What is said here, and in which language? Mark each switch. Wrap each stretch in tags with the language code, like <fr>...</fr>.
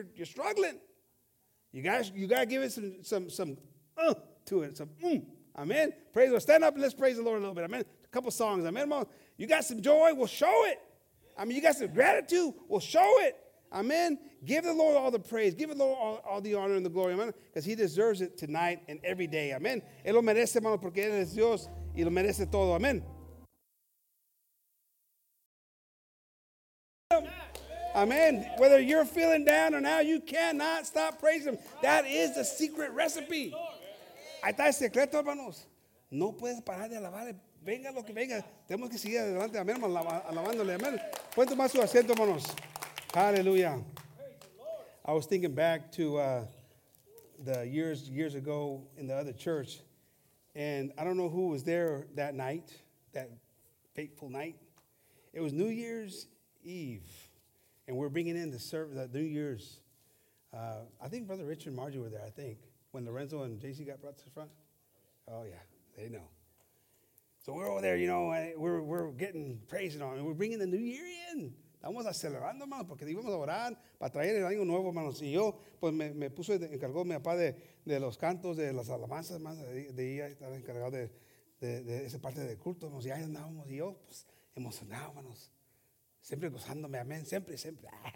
<en>You're struggling. You guys give it some to it. Amen. Praise the Lord. Stand up and let's praise the Lord a little bit. Amen. A couple songs. Amen, hermano. You got some joy? Well, show it. I mean, you got some gratitude? Well, show it. Amen. Give the Lord all the praise. Give the Lord all the honor and the glory. Amen. Because He deserves it tonight and every day. Amen.</en> <es>Él lo merece, hermano, porque Él es Dios y lo merece todo.</es> <en>Amen. Amen. Whether you're feeling down or now, you cannot stop praising Him. That is the secret recipe.</en> <es>Ahí está el secreto, hermanos. No puedes parar de alabar. Venga lo que venga. Tenemos que seguir adelante. Amén, hermano. Alabándole. Amén. Pueden tomar su asiento, hermanos. Hallelujah.</es> <en>I was thinking back to the years ago in the other church. And I don't know who was there that night, that fateful night. It was New Year's Eve. And we're bringing in the service, the New Year's. I think Brother Richard and Margie were there, I think, when Lorenzo and JC got brought to the front. Oh, yeah. They know. So we're over there, you know, and we're getting praising on, and we're bringing the new year in.</en> <es>Estamos acelerando, hermano, porque íbamos a orar para traer el año nuevo, hermanos. Y yo, pues, me puso, encargó mi papá de los cantos, de las alabanzas, hermanos. De ahí estaba encargado de esa parte del culto, hermanos. Y ahí andábamos, y yo, pues, emocionado, hermanos. Siempre gozándome, amén, siempre, siempre.</es>